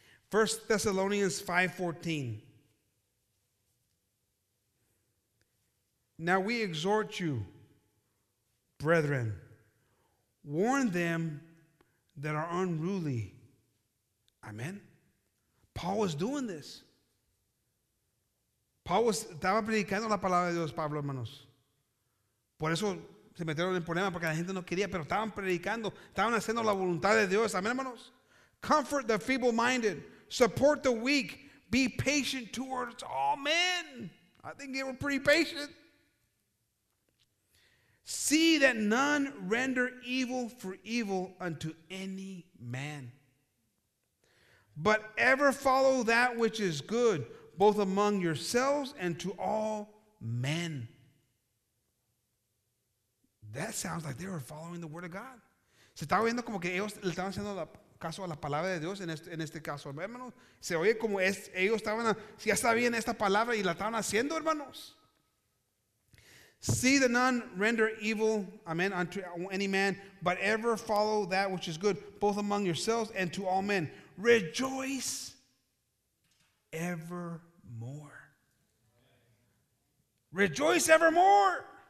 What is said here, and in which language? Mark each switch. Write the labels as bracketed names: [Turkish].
[English] 1 Thessalonians 5:14. Now we exhort you, brethren, warn them that are unruly. Amen. Paul was doing this. [Spanish] Paul estaba predicando la palabra de Dios, Pablo, hermanos. Por eso se metieron en problemas, porque la gente no quería, pero estaban predicando, estaban haciendo la voluntad de Dios. Amén, hermanos. [English] Comfort the feeble-minded. Support the weak. Be patient towards all men. I think they were pretty patient. See that none render evil for evil unto any man. But ever follow that which is good, both among yourselves and to all men. That sounds like they were following the word of God. [Spanish] Se estaba viendo como que ellos le estaban haciendo caso a la palabra de Dios en este caso, hermanos. Se oye como ellos estaban, si ya sabían esta palabra y la estaban haciendo, hermanos. [English] See that none render evil, amen, unto any man, but ever follow that which is good, both among yourselves and to all men. Rejoice ever. More. Rejoice evermore.